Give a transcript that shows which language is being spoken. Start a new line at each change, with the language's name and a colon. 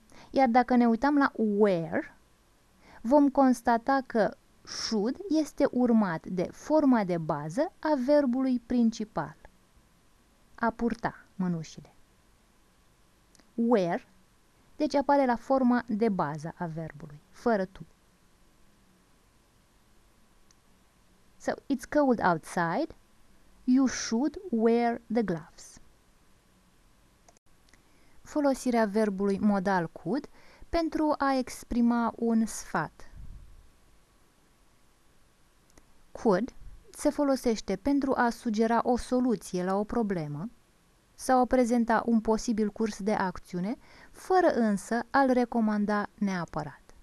Romanian: Iar dacă ne uităm la wear, vom constata că should este urmat de forma de bază a verbului principal, a purta mănușile. Wear, deci apare la forma de bază a verbului, fără tu.
English: So, it's cold outside, you should wear the gloves.
Romanian: Folosirea verbului modal could pentru a exprima un sfat. Could se folosește pentru a sugera o soluție la o problemă sau a prezenta un posibil curs de acțiune, fără însă a-l recomanda neapărat.